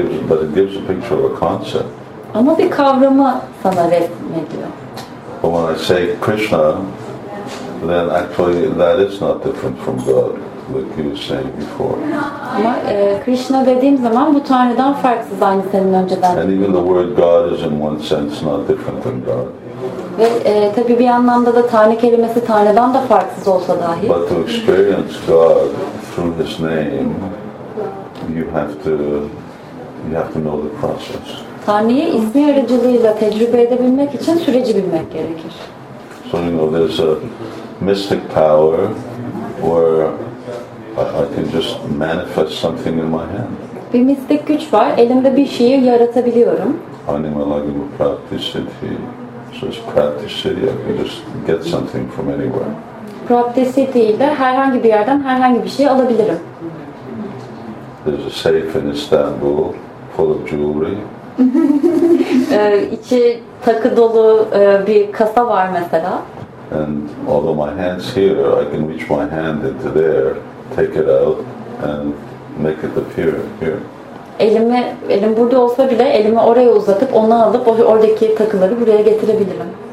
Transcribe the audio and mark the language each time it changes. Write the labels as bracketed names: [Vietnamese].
[English] But it gives a picture of a concept. [Turkish] Ama bir kavramı sana resmediyor. [English] But when I say Krishna, then actually that is not different from God, like you were saying before. [Turkish] Ama Krishna dediğim zaman bu Tanrı'dan farksız aynı senin önceden. [English] And even the word God is in one sense not different than God. [Turkish] Ve tabii bir anlamda da Tanrı kelimesi Tanrı'dan da farksız olsa dahi. [English] But to experience God through His name, you have to know the process. [Turkish] Tanrı'yı ismi aracılığıyla tecrübe edebilmek için süreci bilmek gerekir. [English] So you know there's a mystic power where I can just manifest something in my hand. [Turkish] Bir mistik güç var. Elimde bir şeyi yaratabiliyorum. [English] Animalagimu Prapticity. So it's Prapticity. I can just get something from anywhere. [Turkish] Prapticity ile herhangi bir yerden herhangi bir şey alabilirim. [English] There's a safe in Istanbul full of jewelry. [Turkish] İçi takı dolu bir kasa var mesela. [English] And although my hand's here, I can reach my hand into there. Take it out and make it appear here. [Turkish] Elim burada olsa bile elimi oraya uzatıp onu alıp oradaki takıları buraya getirebilirim.